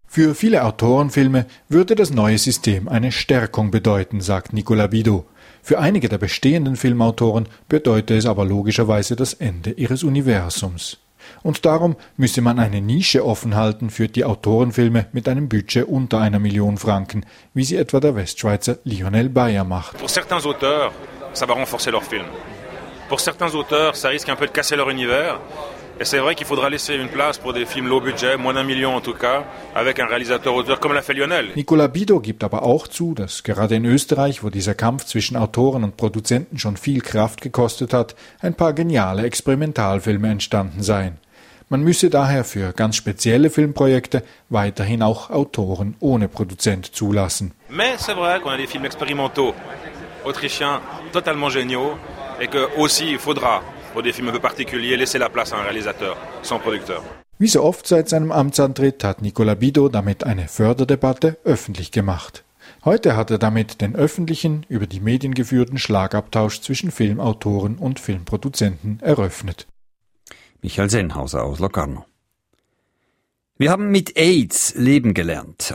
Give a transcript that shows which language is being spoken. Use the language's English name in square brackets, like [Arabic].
[German] Für viele Autorenfilme würde das neue System eine Stärkung bedeuten, sagt Nicolas Bidot. Für einige der bestehenden Filmautoren bedeutet es aber logischerweise das Ende ihres Universums. Und darum müsse man eine Nische offen halten für die Autorenfilme mit einem Budget unter 1 Million Franken, wie sie etwa der Westschweizer Lionel Bayer macht. [French] Pour certains auteurs, ça va renforcer leur film. Pour certains auteurs, ça risque un peu de casser leur univers. Et c'est vrai qu'il faudra laisser une place pour des films low budget, moins 1 Million en tout cas, avec un réalisateur auteur comme l'a fait Lionel. [German] Nicolas Bidot gibt aber auch zu, dass gerade in Österreich, wo dieser Kampf zwischen Autoren und Produzenten schon viel Kraft gekostet hat, ein paar geniale Experimentalfilme entstanden seien. Man müsse daher für ganz spezielle Filmprojekte weiterhin auch Autoren ohne Produzent zulassen. [French] Mais c'est vrai qu'on a des films expérimentaux autrichiens totalement géniaux et que aussi il faudra pour des films un peu particuliers laisser la place à un réalisateur sans producteur. [German] Wie so oft seit seinem Amtsantritt hat Nicola Bido damit eine Förderdebatte öffentlich gemacht. Heute hat er damit den öffentlichen, über die Medien geführten Schlagabtausch zwischen Filmautoren und Filmproduzenten eröffnet. Michael Sennhauser aus Locarno. Wir haben mit AIDS leben gelernt.